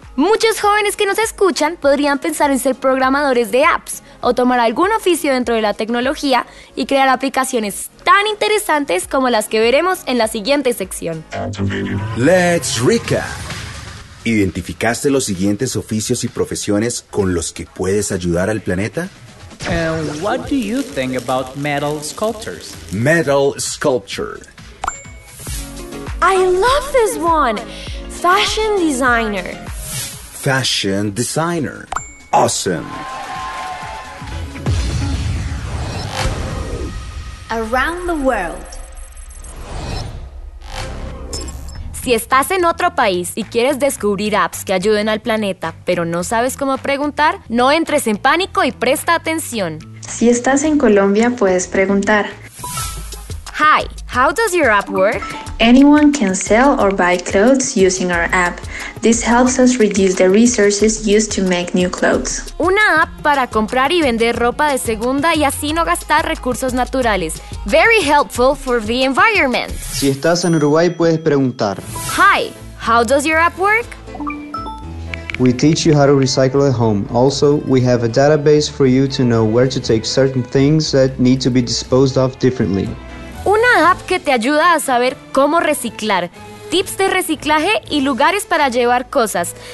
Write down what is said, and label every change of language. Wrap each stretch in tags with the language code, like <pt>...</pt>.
<es>Muchos jóvenes que nos escuchan podrían pensar en ser programadores de apps o tomar algún oficio dentro de la tecnología y crear aplicaciones tan interesantes como las que veremos en la siguiente sección.</es> <en>Let's recap.</en> <es>¿Identificaste los siguientes oficios y profesiones con los que puedes ayudar al planeta?</es> <en>And what do you think about metal sculptures? Metal sculpture. I love this one. Fashion designer. Fashion designer. Awesome. Around the world.</en> <es>Si estás en otro país y quieres descubrir apps que ayuden al planeta, pero no sabes cómo preguntar, no entres en pánico y presta atención. Si estás en Colombia, puedes preguntar.</es> <en>Hi, how does your app work? Anyone can sell or buy clothes using our app. This helps us reduce the resources used to make new clothes.</en> <es>Una app para comprar y vender ropa de segunda y así no gastar recursos naturales.</es> <en>Very helpful for the environment.</en> <es>Si estás en Uruguay, puedes preguntar.</es> <en>Hi, how does your app work? We teach you how to recycle at home. Also, we have a database for you to know where to take certain things that need to be disposed of differently.</en> <es>Una app que te ayuda a saber cómo reciclar, tips de reciclaje y lugares para llevar cosas.</es>